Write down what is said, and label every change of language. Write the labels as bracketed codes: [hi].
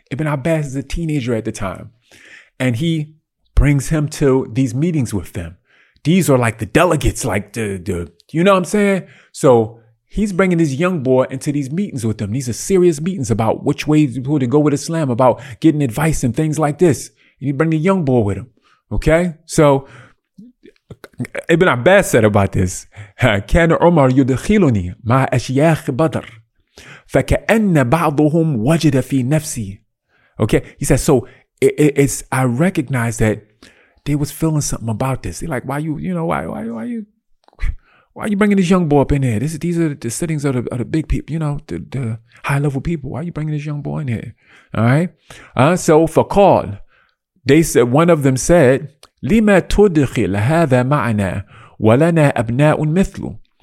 [en] Ibn Abbas is a teenager at the time. And he brings him to these meetings with them. These are like the delegates, like the, you know what I'm saying? So he's bringing this young boy into these meetings with them. These are serious meetings about which way to go with Islam, about getting advice and things like this. And he bring the young boy with him, okay? So Ibn Abbas said about this, [ar] كان عمر يدخلني مع أشياخ بدر فكأن بعضهم وجد في نفسي. [en] Okay, he said, so I recognize that they was feeling something about this. They're like, why are you bringing this young boy up in here? These are the sittings of the big people, you know, the high level people. Why are you bringing this young boy in here? All right. So for call, they said, one of them said, [ar] لِمَا تُدْخِلْ هَذَا مَعْنَا وَلَنَا أَبْنَاءٌ مِثْلُ.